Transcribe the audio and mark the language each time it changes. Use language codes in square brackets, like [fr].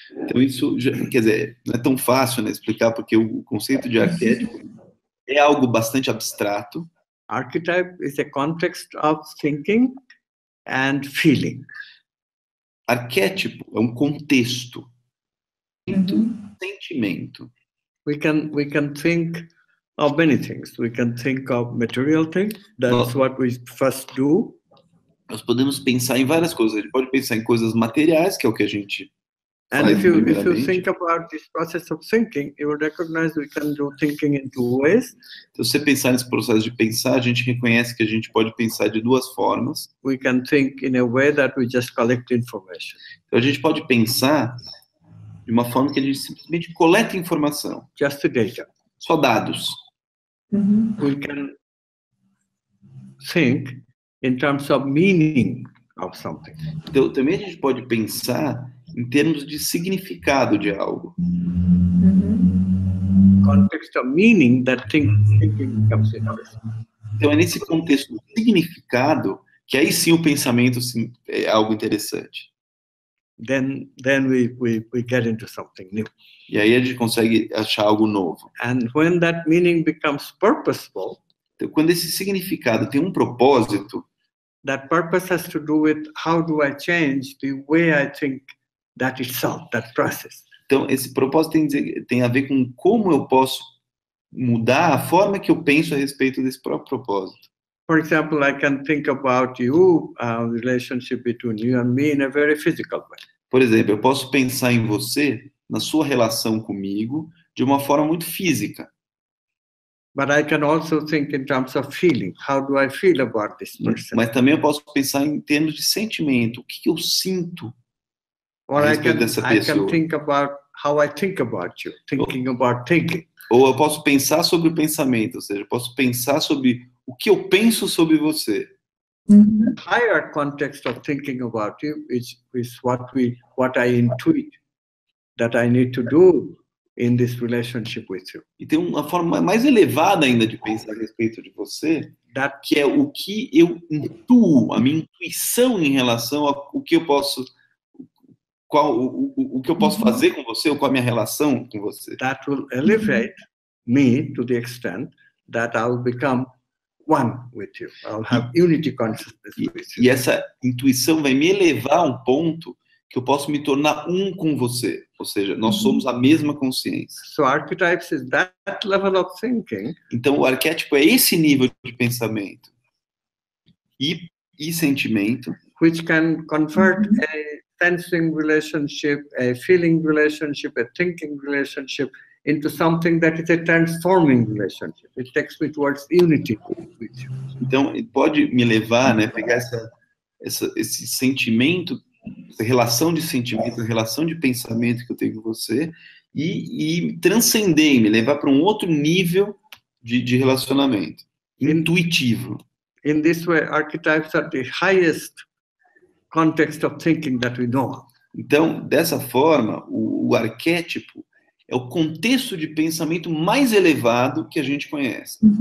[pt] Então isso, quer dizer, não é tão fácil, né, explicar, porque o conceito de arquétipo é algo bastante abstrato. [en] Archetype is a context of thinking and feeling. [pt] Arquétipo é um contexto. Uhum. Sentimento. [en] We can think of many things. We can think of material things. That's what we first do. [pt] Nós podemos pensar em várias coisas. A gente pode pensar em coisas materiais, que é o que a gente [en] And if you think about this process of thinking, you will recognize we can do thinking in two ways. [pt] Então, se você pensar nesse processo de pensar, a gente reconhece que a gente pode pensar de duas formas. [en] We can think in a way that we just collect information. [pt] Então, a gente pode pensar de uma forma que a gente simplesmente coleta informação. [en] Just the data. [pt] Só dados. Mm-hmm. [en] We can think in terms of meaning of something. [pt] Então, também a gente pode pensar em termos de significado de algo. [en] Mm-hmm. Context of meaning that thinking comes in. [pt] Então, é nesse contexto do significado que aí sim o pensamento sim, é algo interessante. [en] Then we get into something new. [pt] E aí a gente consegue achar algo novo. [en] And when that meaning becomes purposeful, [pt] então, quando esse significado tem um propósito, [en] that purpose has to do with how do I change the way I think that itself, that process. [pt] Então, esse propósito tem a ver com como eu posso mudar a forma que eu penso a respeito desse próprio propósito. [en] For example, I can think about you, a relationship between you and me in a very physical way. [pt] Por exemplo, eu posso pensar em você, na sua relação comigo, de uma forma muito física. [en] But I can also think in terms of feeling. How do I feel about this person? [pt] Mas também eu posso pensar em termos de sentimento. O que eu sinto a respeito dessa pessoa? [en] Or I can think about how I think about you, thinking about thinking. [pt] Ou eu posso pensar sobre o pensamento, ou seja, eu posso pensar sobre o que eu penso sobre você. Mm-hmm. [en] Higher context of thinking about you is what I intuit that I need to do in this relationship with you. [pt] E tem uma forma mais elevada ainda de pensar a respeito de você, [en] that, [pt] que é o que eu intuo, a minha intuição em relação ao que eu posso, qual o que eu posso fazer com você ou com a minha relação com você. [en] That will elevate me to the extent that I'll become one with you. I'll have unity consciousness with you. [pt] E essa intuição vai me elevar a um ponto que eu posso me tornar um com você, ou seja, nós somos a mesma consciência. [en] So archetypes is that level of thinking. [pt] Então o arquétipo é esse nível de pensamento e sentimento, [en] which can convert a sensing relationship, a feeling relationship, a thinking relationship into something that is a transforming relationship. It takes me towards unity with you. [pt] Então pode me levar, né, pegar esse sentimento, relação de sentimento, relação de pensamento que eu tenho com você e transcender, me levar para um outro nível de relacionamento intuitivo. [en] In this way, archetypes are the highest context of thinking that we know. [pt] Então, dessa forma, o arquétipo é o contexto de pensamento mais elevado que a gente conhece.